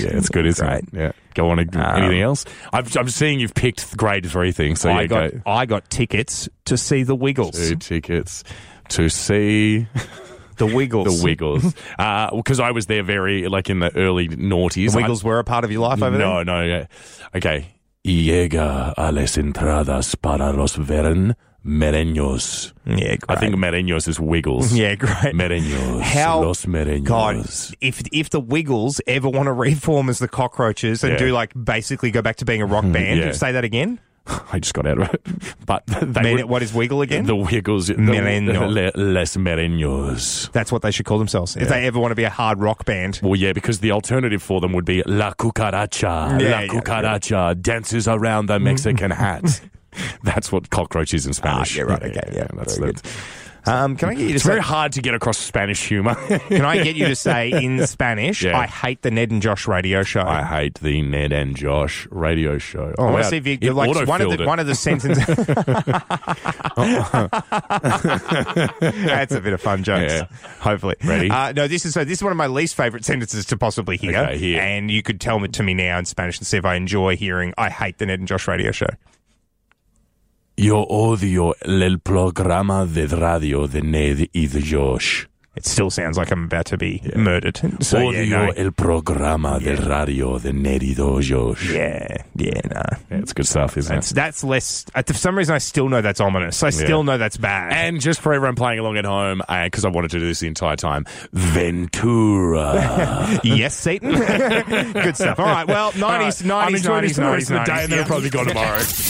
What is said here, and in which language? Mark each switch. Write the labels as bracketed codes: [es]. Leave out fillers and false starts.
[en] Yeah, it's good, isn't it? Yeah. Go on. Anything else? I'm seeing you've picked grade three things. So I got tickets to see the Wiggles. Two tickets to see... The Wiggles. The Wiggles. Because I was there very, like, in the early noughties. The Wiggles were a part of your life over there? No, yeah. Okay. [es] Llega a las entradas para los veren merengues. [en] Yeah, great. I think merengues is Wiggles. Yeah, great. Merengues. How? Los merengues. God, if the Wiggles ever want to reform as the Cockroaches and do, like, basically go back to being a rock band, you say that again? I just got out of it. But what is Wiggle again? The Wiggles. Les Merengues. That's what they should call themselves. If they ever want to be a hard rock band. Well, yeah, because the alternative for them would be La Cucaracha. La Cucaracha dances around the Mexican hat. That's what cockroach is in Spanish. Ah, yeah, right. Okay. Yeah, that's good. Can I get you to it's say, very hard to get across Spanish humor. Can I get you to say in Spanish, I hate the Ned and Josh radio show. I hate the Ned and Josh radio show. Oh, I want to see if you like one of the sentences. That's a bit of fun jokes. Yeah. Hopefully. Ready? This is one of my least favorite sentences to possibly hear. Okay, here. And you could tell it to me now in Spanish and see if I enjoy hearing I hate the Ned and Josh radio show. [es] Yo odio el programa de radio de Ned y de Josh. [en] It still sounds like I'm about to be murdered. So, [es] el programa de radio de Ned y de Josh. [en] That's good stuff, isn't it? That's less... For some reason, I still know that's ominous. I still know that's bad. And just for everyone playing along at home, because I wanted to do this the entire time, Ventura. Yes, Satan? Good stuff. All right, well, 90s, 90s, 90s, 90s, 90s. And then I'll probably go tomorrow.